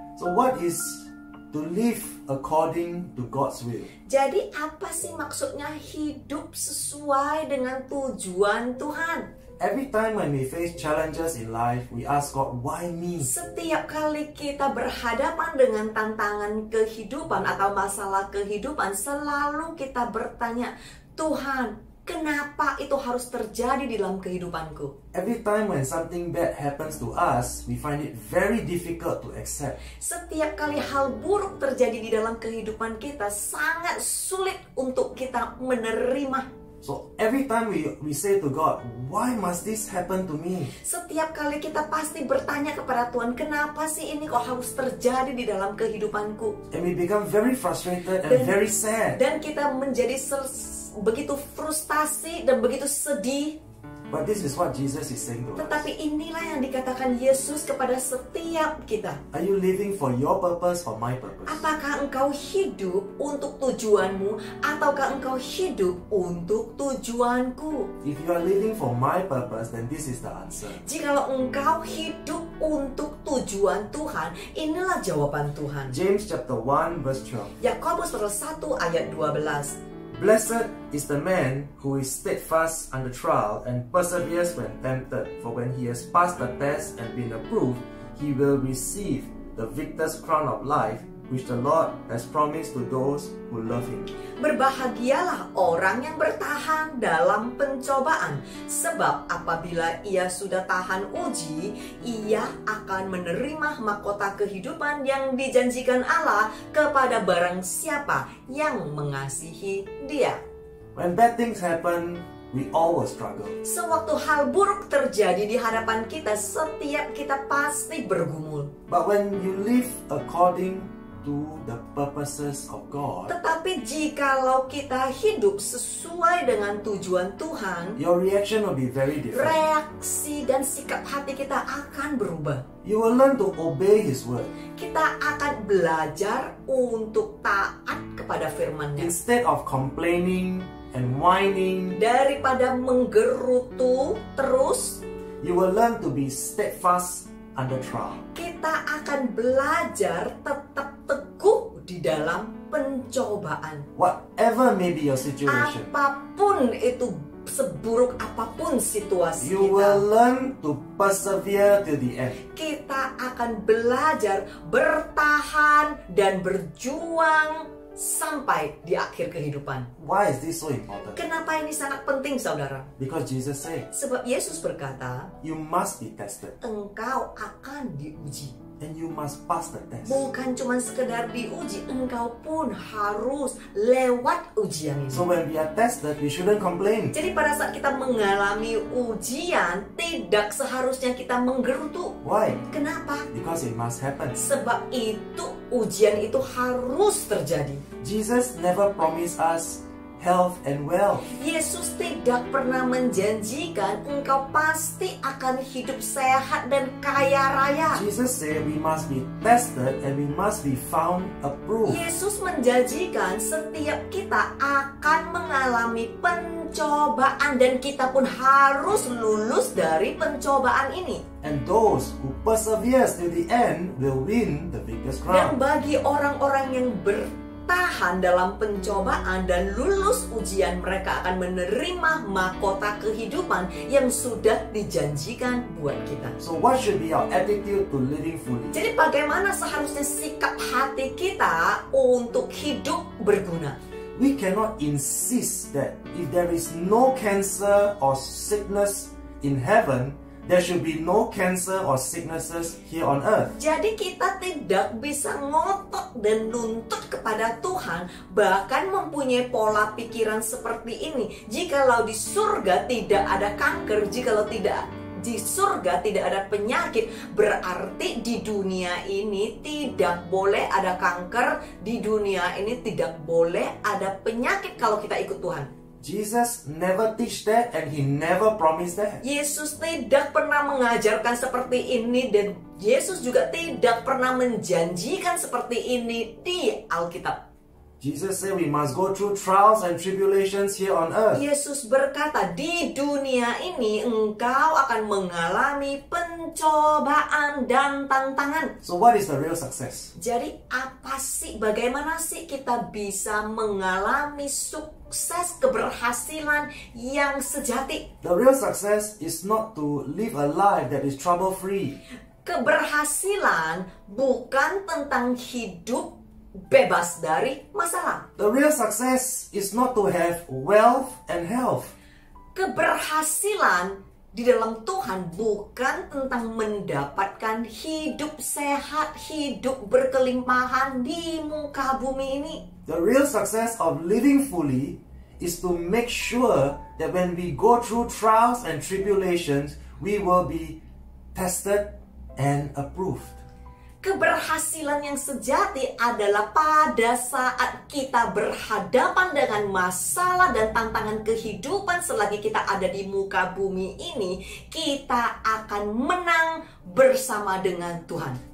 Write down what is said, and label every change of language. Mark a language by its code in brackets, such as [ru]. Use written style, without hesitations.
[en] So what is to live according to God's will? [id] Jadi apa sih maksudnya hidup sesuai dengan tujuan Tuhan? [en] Every time when we face challenges in life, we ask God, why me? [id] Setiap kali kita berhadapan dengan tantangan kehidupan atau masalah kehidupan, selalu kita bertanya, Tuhan, kenapa itu harus terjadi dalam kehidupanku? [en] Every time when something bad happens to us, we find it very difficult to accept. [id] Setiap kali hal buruk terjadi di dalam kehidupan kita, sangat sulit untuk kita menerima. [en] So every time we say to God, why must this happen to me? [id] Setiap kali kita pasti bertanya kepada Tuhan, kenapa sih ini kok harus terjadi di dalam kehidupanku? [en] And we become very frustrated and very sad. [id] Dan kita menjadi begitu frustasi dan begitu sedih. [en] But this is what Jesus is saying to us. [id] Tetapi inilah yang dikatakan Yesus kepada setiap kita. [en] Are you living for your purpose or my purpose? [id] Apakah engkau hidup untuk tujuanmu ataukah engkau hidup untuk tujuanku? [en] If you are living for my purpose, then this is the answer. [id] Jika engkau hidup untuk tujuan Tuhan, inilah jawaban Tuhan. [en] James chapter 1 verse 12. [id] Yakobus pasal 1 ayat 12. [en] Blessed is the man who is steadfast under trial and perseveres when tempted. For when he has passed the test and been approved, he will receive the victor's crown of life, which the Lord has promised to those who love Him. [id] Berbahagialah orang yang bertahan dalam pencobaan, sebab apabila ia sudah tahan uji, ia akan menerima mahkota kehidupan yang dijanjikan Allah kepada barang siapa yang mengasihi Dia. [en] When bad things happen, we all will struggle. [id] Sewaktu hal buruk terjadi di hadapan kita, setiap kita pasti bergumul. [en] But when you live according to the purposes of God, [id] tetapi jikalau kita hidup sesuai dengan tujuan Tuhan, [en] your reaction will be very different. [id] Reaksi dan sikap hati kita akan berubah. [en] You will learn to obey His word. [id] Kita akan belajar untuk taat kepada firman-Nya. [en] Instead of complaining and whining, [id] daripada menggerutu terus, [en] you will learn to be steadfast under trial. [id] Kita akan belajar tetap teguh di dalam pencobaan. [en] Whatever may be your situation, [id] apapun itu, seburuk apapun situasi [en] you you will learn to persevere till the end. [id] Kita akan belajar bertahan dan berjuang sampai di akhir kehidupan. [en] Why is this so important? [id] Kenapa ini sangat penting, saudara? [en] Because Jesus said. [id] Sebab Yesus berkata, [en] you must be tested. [id] Engkau akan diuji. [en] And you must pass the test. [id] Bukan cuma sekedar diuji, engkau pun harus lewat ujian ini. [en] So when we are tested, we shouldn't complain. [id] Jadi pada saat kita mengalami ujian, tidak seharusnya kita menggerutu. [en] Why? [id] Kenapa? [en] Because it must happen. [id] Sebab itu ujian itu harus terjadi. [en] Jesus never promised us health and wealth. [id] Yesus tidak pernah menjanjikan engkau pasti akan hidup sehat dan kaya raya. [en] Jesus said we must be tested and we must be found approved. [id] Yesus menjanjikan setiap kita akan mengalami pencobaan dan kita pun harus lulus dari pencobaan ini. [en] And those who persevere till the end will win the biggest crown. [id] Dan bagi orang-orang yang bertahan dalam pencobaan dan lulus ujian, mereka akan menerima mahkota kehidupan yang sudah dijanjikan buat kita. [en] So what should be our attitude to living fully? [id] Jadi bagaimana seharusnya sikap hati kita untuk hidup berguna? [en] We cannot insist that if there is no cancer or sickness in heaven, there should be no cancer or sicknesses here on earth. [id] Jadi kita tidak bisa ngotot dan nuntut kepada Tuhan, bahkan mempunyai pola pikiran seperti ini. Jikalau di surga tidak ada kanker, jikalau tidak di surga tidak ada penyakit, berarti di dunia ini tidak boleh ada kanker, di dunia ini tidak boleh ada penyakit kalau kita ikut Tuhan. [en] Jesus never teach that and he never promised that. [id] Yesus tidak pernah mengajarkan seperti ini dan Yesus juga tidak pernah menjanjikan seperti ini di Alkitab. [en] Jesus said we must go through trials and tribulations here on earth. [id] Yesus berkata di dunia ini engkau akan mengalami pencobaan dan tantangan. [en] So what is the real success? [id] Jadi apa sih, bagaimana sih kita bisa mengalami sukses, keberhasilan yang sejati? [en] The real success is not to live a life that is trouble free. [id] Keberhasilan bukan tentang hidup bebas dari masalah. [en] The real success is not to have wealth and health. [id] Keberhasilan di dalam Tuhan bukan tentang mendapatkan hidup sehat, hidup berkelimpahan di muka bumi ini. [en] The real success of living fully is to make sure that when we go through trials and tribulations, we will be tested and approved. [id] Keberhasilan yang sejati adalah pada saat kita berhadapan dengan masalah dan tantangan kehidupan selagi kita ada di muka bumi ini, kita akan menang bersama dengan Tuhan.